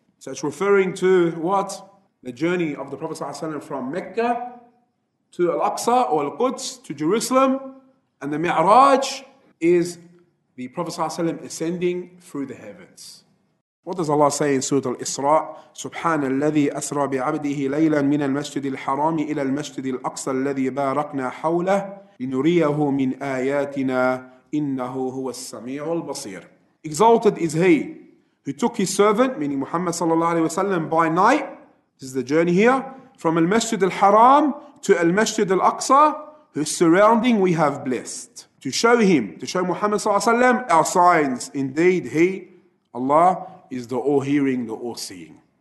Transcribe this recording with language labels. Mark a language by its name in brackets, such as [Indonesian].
[English] So it's referring to what? The journey of the Prophet ﷺ from Mecca to Al-Aqsa or Al-Quds to Jerusalem. And the Mi'raj is the Prophet ﷺ ascending through the heavens. What does Allah say in Surah Al-Isra? [Arabic] سبحان الذي أسرى بعبده ليلا من المسجد الحرام إلى المسجد الأقصى الذي باركنا حوله لنريه من آياتنا إِنَّهُ هُوَ السَّمِيعُ الْبَصِيرُ. [English] Exalted is he who took his servant, meaning Muhammad sallallahu alayhi wa sallam, by night, this is the journey here, from al-Masjid al-Haram to al-Masjid al-Aqsa, whose surrounding we have blessed, to show him, to show Muhammad sallallahu alayhi wa sallam, our signs. Indeed, he, Allah, is the all-hearing, the all-seeing.